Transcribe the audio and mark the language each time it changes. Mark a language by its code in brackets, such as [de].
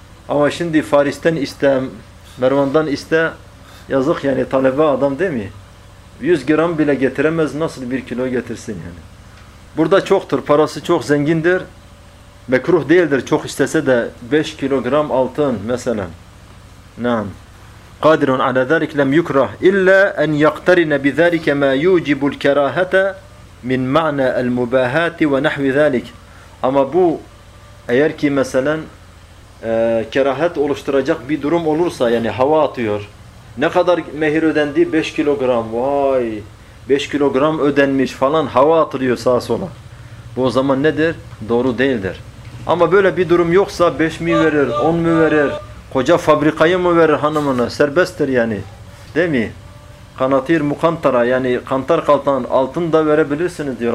[tr] Ama şimdi Faris'ten iste, Mervan'dan iste, yazık yani talebe adam değil mi? 100 gram bile getiremez, nasıl 1 kilo getirsin yani. Burada çoktur, parası çok zengindir. Mekruh değildir, çok istese de 5 kilogram altın mesela. Naam. [ar] قَادِرٌ عَلَى ذَٰلِكَ لَمْ يُكْرَهُ اِلَّا اَنْ يَقْتَرِنَ بِذَٰلِكَ مَا يُوْجِبُ الْكَرَاهَةَ مِنْ مَعْنَى الْمُبَاهَاتِ وَنَحْوِ ذَٰلِكَ [tr] Ama bu, eğer ki mesela kerahat oluşturacak bir durum olursa, yani hava atıyor. Ne kadar mehir ödendi? 5 kilogram. Vay! 5 kilogram ödenmiş falan hava atılıyor sağa sola. Bu o zaman nedir? Doğru değildir. Ama böyle bir durum yoksa 5 mi verir, 10 mu verir? Koca fabrikayı mı verir hanımına? Serbesttir yani. Değil mi? kanatir mukantara, yani kantar kaltan altın da verebilirsiniz diyor.